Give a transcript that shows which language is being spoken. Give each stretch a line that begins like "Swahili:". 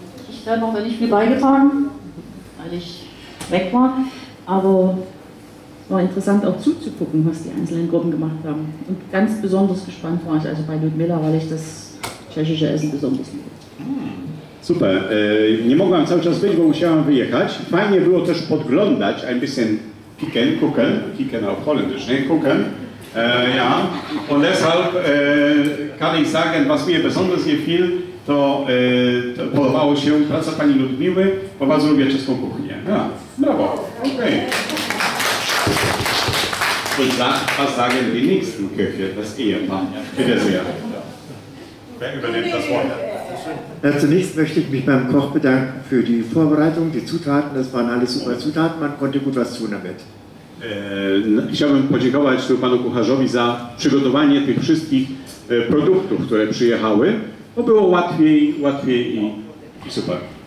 German: Ich habe noch nicht viel beigetragen, weil ich weg war. Aber es war interessant, auch zuzugucken, was die einzelnen Gruppen gemacht haben. Und ganz besonders gespannt war ich also bei Ludmilla, weil ich das tschechische Essen besonders liebe. Super.
Polish: Nie mogłam cały czas być, bo musiałam wyjechać. Fajnie było też podglądać
German: ein bisschen kicken, gucken. Kicken auf Holländisch,
Polish: nie?
German: Gucken. Ja. Und deshalb kann ich sagen, was mir besonders gefiel,
Polish: to, to podobało się praca pani Ludmiły, bo bardzo lubię czeską kuchnię.
German: Ja. Brawo. Okay. Und da, was sagen die nächsten Köche, das Ehepaar? Bitte sehr. Wer übernimmt das Wort? Zunächst möchte ich mich beim Koch bedanken für die Vorbereitung, die Zutaten, das waren alles super Zutaten, man konnte gut was tun damit.
Polish: Chciałbym podziękować tu panu kucharzowi za przygotowanie tych wszystkich produktów, które przyjechały, bo było łatwiej, i super.